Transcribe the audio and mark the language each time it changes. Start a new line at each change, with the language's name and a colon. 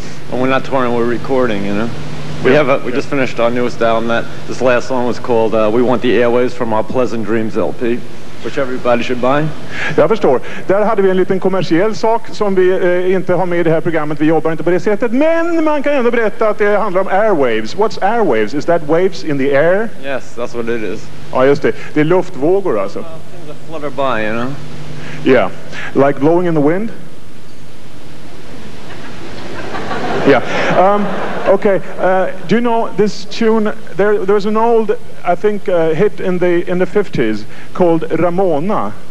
English: When we're not touring, we're recording, you know. We just finished our newest album. That this last song was called We Want the Airwaves from our Pleasant Dreams LP, which everybody should buy.
Swedish: Jag förstår. Där hade vi en liten kommersiell sak som vi inte har med i det här programmet. Vi jobbar inte på det sättet. Men man kan ändå berätta att det handlar om airwaves.
English: What's airwaves? Is that waves in the air? Yes, that's what it is.
Swedish: Ja, just det. Det är luftvågor alltså.
English: Things that flutter by, you know. Yeah, like blowing in the wind? Yeah. Okay, do you know this tune? There was an old, I think, hit in the 50s called Ramona.